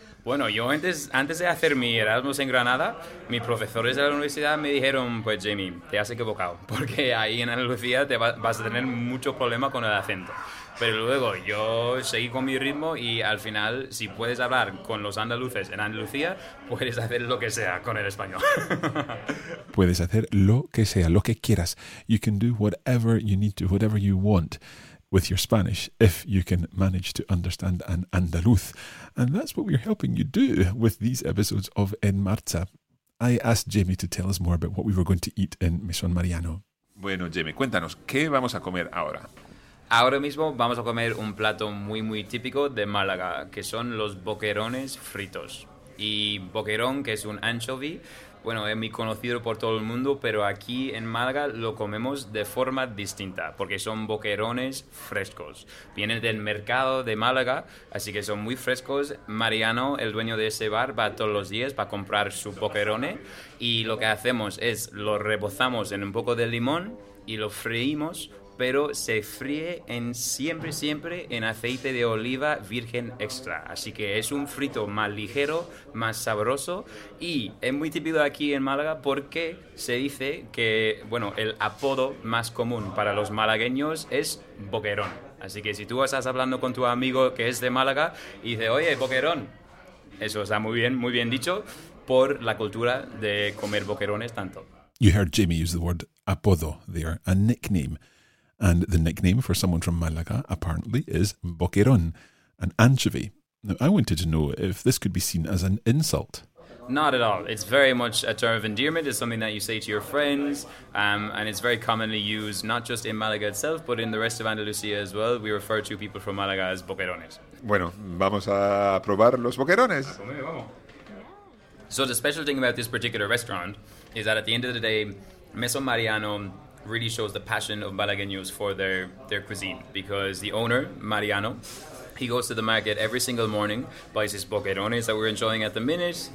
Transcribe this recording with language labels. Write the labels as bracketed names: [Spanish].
[Spanish] Bueno, yo antes de hacer mi Erasmus en Granada, mis profesores de la universidad me dijeron, pues Jamie, te has equivocado, porque ahí en Andalucía vas a tener mucho problema con el acento. Pero luego yo seguí con mi ritmo y al final, si puedes hablar con los andaluces en Andalucía, puedes hacer lo que sea con el español. Puedes hacer lo que sea, lo que quieras. [English] You can do whatever you need to, whatever you want with your Spanish, if you can manage to understand an Andaluz. And that's what we're helping you do with these episodes of En Marcha. I asked Jamie to tell us more about what we were going to eat in Mesón Mariano. [Spanish] Bueno, Jamie, cuéntanos, ¿qué vamos a comer ahora? Ahora mismo vamos a comer un plato muy, muy típico de Málaga, que son los boquerones fritos. Y boquerón, que es un anchovy, bueno, es muy conocido por todo el mundo, pero aquí en Málaga lo comemos de forma distinta, porque son boquerones frescos. Vienen del mercado de Málaga, así que son muy frescos. Mariano, el dueño de ese bar, va todos los días para comprar su boquerone, y lo que hacemos es lo rebozamos en un poco de limón y lo freímos, pero se fríe en siempre, siempre en aceite de oliva virgen extra. Así que es un frito más ligero, más sabroso, y es muy típico aquí en Málaga porque se dice que, bueno, el apodo más común para los malagueños es boquerón. Así que si tú estás hablando con tu amigo que es de Málaga y dice, oye, boquerón, eso está muy bien dicho, por la cultura de comer boquerones tanto. [English] You heard Jamie use the word apodo there, a nickname. And the nickname for someone from Málaga, apparently, is boquerón, an anchovy. Now, I wanted to know if this could be seen as an insult. Not at all. It's very much a term of endearment. It's something that you say to your friends, and it's very commonly used, not just in Malaga itself, but in the rest of Andalusia as well. We refer to people from Malaga as boquerones. [Spanish] Bueno, vamos a probar los boquerones. [English] So the special thing about this particular restaurant is that at the end of the day, Meso Mariano really shows the passion of malagueños for their cuisine, because the owner, Mariano, he goes to the market every single morning, buys his boquerones that we're enjoying at the minute.